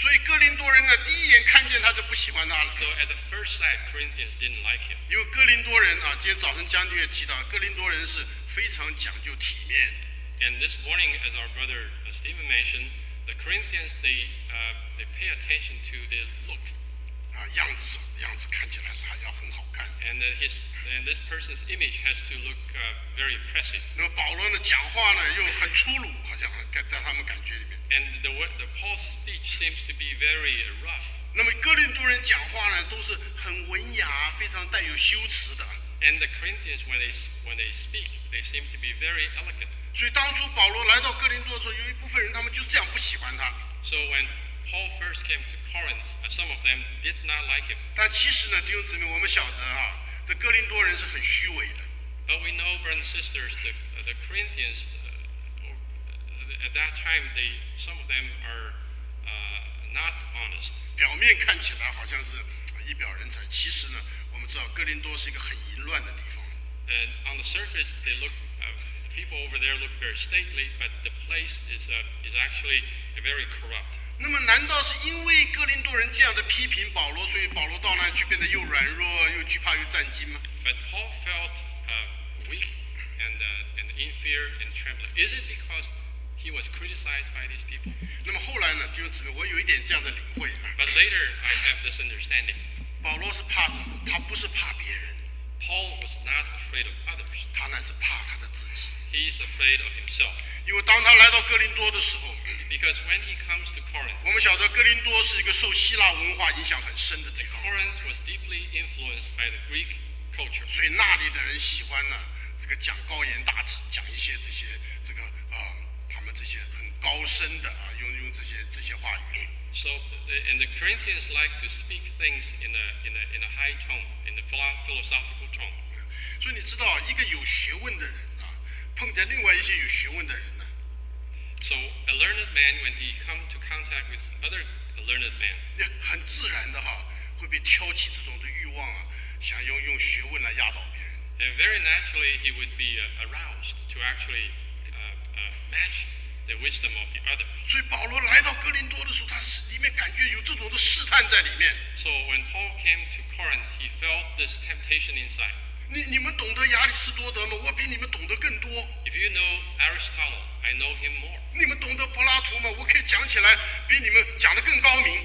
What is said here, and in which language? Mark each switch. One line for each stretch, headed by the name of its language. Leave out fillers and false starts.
Chinese: 所以哥林多人呢，第一眼看见他就不喜欢他了。
English: So at the first sight, Corinthians didn't like him.
Chinese: 因为哥林多人啊，今天早晨将军也提到，哥林多人是。非常讲究体面。
English: And this morning, as our brother Stephen mentioned, the Corinthians they pay attention to their look.
Chinese: 样子看起来是还要很好看。
English: And this person's image has to look very impressive.
Chinese: 那保罗的讲话呢又很粗鲁，好像在他们感觉里面。
English: And the Paul's speech seems to be very rough.
Chinese: 那么哥林多人讲话呢都是很文雅，非常带有修辞的。
English: And the Corinthians when they speak, they seem to be very elegant.
Chinese: 所以当初保罗来到哥林多的时候，有一部分人他们就这样不喜欢他。
English: So when Paul first came to Corinth, some of them did not like him.
Chinese: 但其实呢，弟兄姊妹，我们晓得啊，这哥林多人是很虚伪的。
English: But we know, brothers and sisters, the Corinthians at that time, some of them are not honest.
Chinese: 表面看起来好像是一表人才，其实呢，我们知道哥林多是一个很淫乱的地方。
English: And on the surface, they look people over there look very stately, but the place is actually very corrupt.
Chinese: 那么难道是因为哥林多人这样的批评保罗，所以保罗到那去变得又软弱又惧怕又战惊吗？
English: But Paul felt weak and in fear and trembling. Is it because he was criticized by these people?
Chinese: 那么后来呢，弟兄姊妹，我有一点这样的领会。
English: But later I have this understanding.
Chinese: 保罗是怕什么？他不是怕别人。
English: Paul was not afraid of others.
Chinese: 他乃是怕他的自己。
English: He is afraid of himself.
Chinese: 因为当他来到哥林多的时候，
English: because when he comes to Corinth,
Chinese: 我们晓得哥林多是一个受希腊文化影响很深的地方。
English: Corinth was deeply influenced by the Greek culture.
Chinese: 所以那里的人喜欢呢，这个讲高言大志，讲一些这些这个他们这些很高深的啊，用这些话语。
English: So and the Corinthians like to speak things in a high tone, in a philosophical tone.
Chinese: 所以你知道一个有学问的人。碰见另外一些有学问的人呢
English: ？So a learned man when he come to contact with other learned man，
Chinese: 很自然的哈，会被挑起这种的欲望啊，想用学问来压倒别人。
English: And very naturally he would be aroused to actually match the wisdom of the other。
Chinese: 所以保罗来到哥林多的时候，他里面感觉有这种的试探在里面。
English: So when Paul came to Corinth, he felt this temptation inside。
Chinese: 你们懂得亚里士多德吗？我比你们懂得更多。
English: If you know Aristotle, I know him more.
Chinese: 你们懂得柏拉图吗？我可以讲起来比你们讲得更高明。